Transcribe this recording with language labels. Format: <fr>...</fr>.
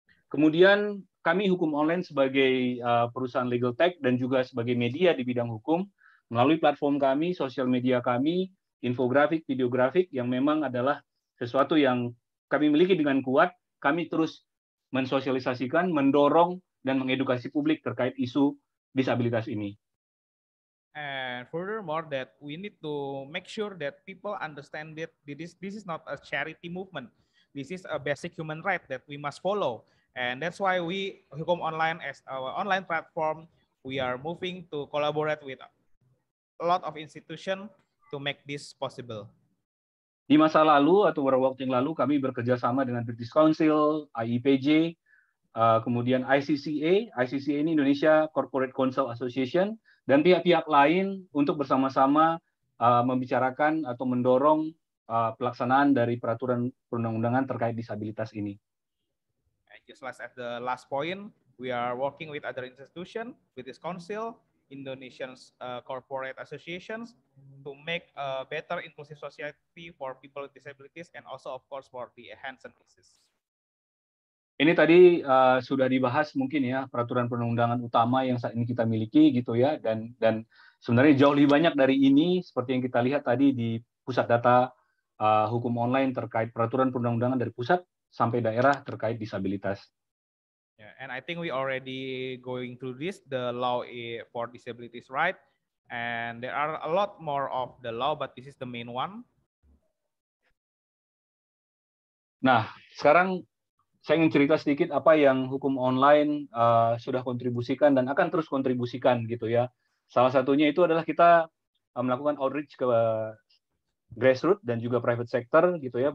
<id>Kemudian kami hukum online sebagai perusahaan legal tech dan juga sebagai media di bidang hukum, melalui platform kami, sosial media kami, infografik, videografik, yang memang adalah sesuatu yang kami miliki dengan kuat, kami terus mensosialisasikan, mendorong, dan mengedukasi publik terkait isu disabilitas ini.</id> <en>And furthermore, that we need to make sure that people understand that this is not a charity movement. This is a basic human right that we must follow. And that's why we, Hukum Online, as our online platform, we are moving to collaborate with a lot of institution to make this possible.</en> <id>Di masa lalu atau beberapa waktu yang lalu, kami bekerja sama dengan British Council, IEPJ, kemudian ICCA, ICCA ini Indonesia Corporate Counsel Association, dan pihak-pihak lain untuk bersama-sama membicarakan atau mendorong pelaksanaan dari peraturan perundang-undangan terkait disabilitas ini.</id> <en>Just last at the last point, we are working with other institution, British Council, Indonesian's corporate associations to make a better inclusive society for people with disabilities and also of course for the Hansen thesis.</en> <id>Ini tadi sudah dibahas mungkin ya peraturan perundang-undangan utama yang saat ini kita miliki gitu ya, dan sebenarnya jauh lebih banyak dari ini seperti yang kita lihat tadi di pusat data hukum online terkait peraturan perundang-undangan dari pusat sampai daerah terkait disabilitas.</id> <en>Yeah, and I think we already going through this, the law for disabilities right, and there are a lot more of the law, but this is the main one.</en> <id>Nah, sekarang saya ingin cerita sedikit apa yang hukum online sudah kontribusikan dan akan terus kontribusikan gitu ya. Salah satunya itu adalah kita melakukan outreach ke grassroots dan juga private sector gitu ya.</id>